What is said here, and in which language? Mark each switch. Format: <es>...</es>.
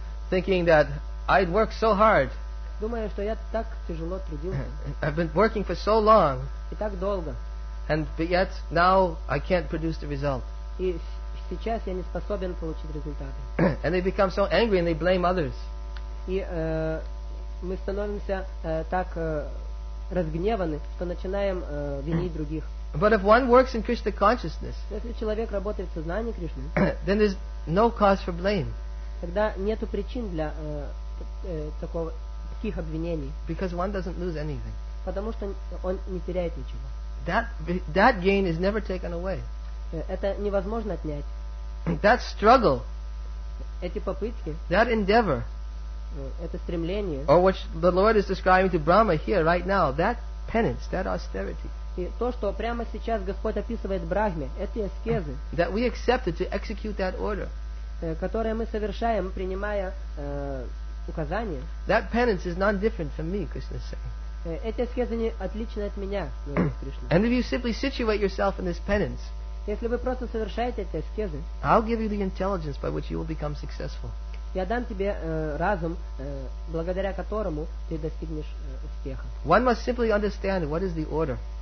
<en>Thinking that I'd worked so hard.</en> <ru>Думаю, что я так тяжело трудился.</ru> <en>I've been working for so long.</en> <ru>И так долго.</ru> <en>And but yet now I can't produce the result.</en> <ru>И сейчас я не способен получить результаты.</ru> <en>And they become so angry and they blame others.</en> <ru>И мы становимся так разгневаны, что начинаем винить других.</ru> <en>But if one works in Krishna consciousness,</en> <ru>если человек работает в сознании Кришны,</ru> <en>then there's no cause for blame.</en> <ru>Тогда нету причин для таких обвинений.</ru> <en>Because one doesn't lose anything.</en> <ru>Потому что он не теряет ничего.</ru> <en>That gain is never taken away.</en> <ru>Это невозможно отнять.</ru> <en>That struggle.</en> <ru>Эти попытки.</ru> <en>That endeavor.</en> <ru>Это стремление.</ru> <en>Or what the Lord is describing to Brahma here right now, that penance, that austerity.</en> <ru>И то, что прямо сейчас Господь описывает Брахме, эти аскезы,</ru> <en>that we accepted to execute that order,</en> <ru>которые мы совершаем, принимая указания,</ru> <en>that penance is not different from me, Krishna is saying.</en> <ru>Эти аскезы не отличны от меня, Кришна.</ru> <en>And if you simply situate yourself in this penance,</en> <ru>если вы просто совершаете эти аскезы,</ru> <en>I'll give you the intelligence by which you will become successful.</en> <ru>Я дам тебе разум, благодаря которому ты достигнешь успеха.</ru> <en>One must simply understand what is the order.</en>